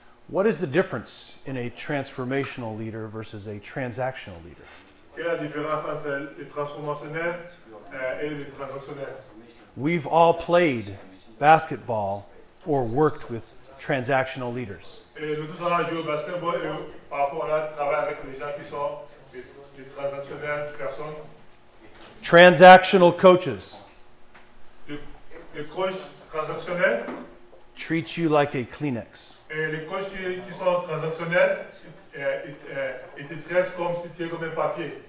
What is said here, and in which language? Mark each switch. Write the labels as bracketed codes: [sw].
[en] What is the difference in a transformational leader versus a transactional leader? [fr] Quelle est la différence entre les transformationnels et les transactionnels? [en] We've all played basketball or worked with transactional leaders. [fr] Et nous tous avons joué au basketball et parfois on a travaillé avec des gens qui sont des transactionnels personnes. [en] Transactional coaches. [fr] Les coachs transactionnels. [en] Treat you like a Kleenex. [fr] Et les coachs qui sont transactionnels, ils te traitent comme si tu es comme un papier.